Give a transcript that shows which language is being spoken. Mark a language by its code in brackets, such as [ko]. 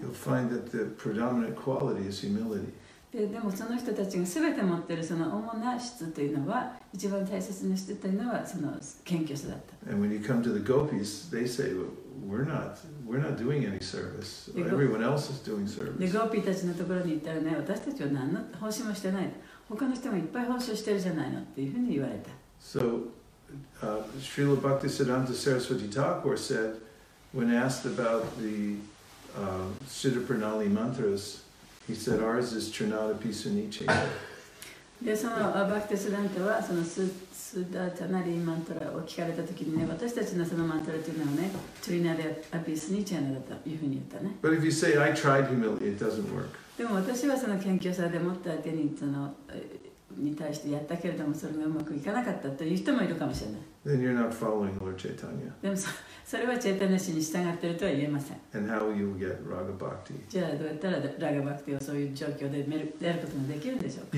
[en] You'll find that the predominant quality is humility. [ja] でもその人たちが全て持っているその主な質というのは一番大切な質というのはその謙虚さだった。 [en] And when you come to the gopis, they say, we're not doing any service. Everyone else is doing service. [ja] でゴーピーたちのところに行ったらね、私たちは何の奉仕もしてない。他の人もいっぱい奉仕してるじゃないのっていうふうに言われた。 [en] So, Srila Bhaktisiddhanta Saraswati Thakur said, when asked about the Siddha Pranali mantras, he said, ours is Trinadapi Sunichi. [ja] で、その Bhaktisiddhanta はその Siddha Pranali mantra を聞かれたときにね、私たちのそのマントラというのはね、Trinadapi Sunichi なんだというふうに言ったね。 [en] But if you say, I tried humility, it doesn't work. [ja] でも私はその謙虚さでもって相手にそのに対してやったけれどもそれがうまくいかなかったという人もいるかもしれない。 [en] Then you're not following Lord Chaitanya. [ja] でもそれはチェタニャ氏に従っているとは言えません。 [en] And how will you get Raga Bhakti? [ja] じゃあどうやったらラガバクティをそういう状況でやることができるんでしょうか。